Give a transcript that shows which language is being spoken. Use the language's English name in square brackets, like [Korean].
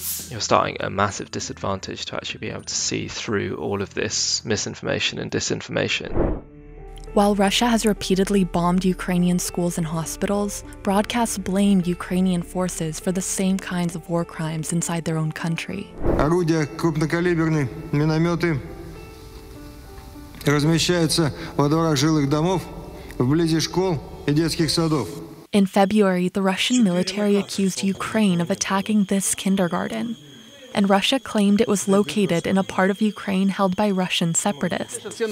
[English] You're starting at a massive disadvantage to actually be able to see through all of this misinformation and disinformation. While Russia has repeatedly bombed Ukrainian schools and hospitals, broadcasts blame Ukrainian forces for the same kinds of war crimes inside their own country. [Russian] Орудия крупнокалиберные, минометы размещаются во дворах жилых домов, вблизи школ и детских садов. [English] In February, the Russian military accused Ukraine of attacking this kindergarten, and Russia claimed it was located in a part of Ukraine held by Russian separatists.